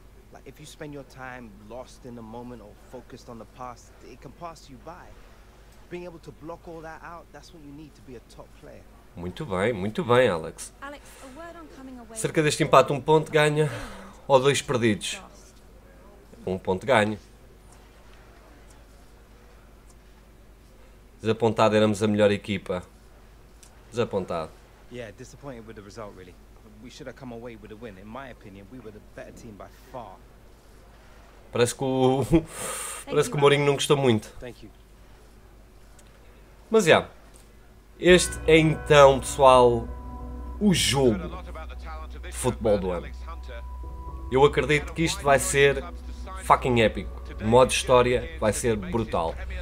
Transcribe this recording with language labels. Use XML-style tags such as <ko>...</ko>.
<en>Like if you spend your time lost in the moment or focused on the past, it can pass you by. Being able to block all that out, that's what you need to be a top player.</en> <pt>Muito bem, Alex. Cerca deste empate, um ponto ganha ou dois perdidos? Um ponto ganha. Desapontado, éramos a melhor equipa. Desapontado.</pt> <en>Yeah, disappointed with the result really. We should have come away with a win. In my opinion, we were the better team by far.</en> <pt>Parece que o Mourinho não gostou muito. Mas já. Este é então, pessoal, o jogo de futebol do ano. Eu acredito que isto vai ser fucking épico. O modo história vai ser brutal.</pt>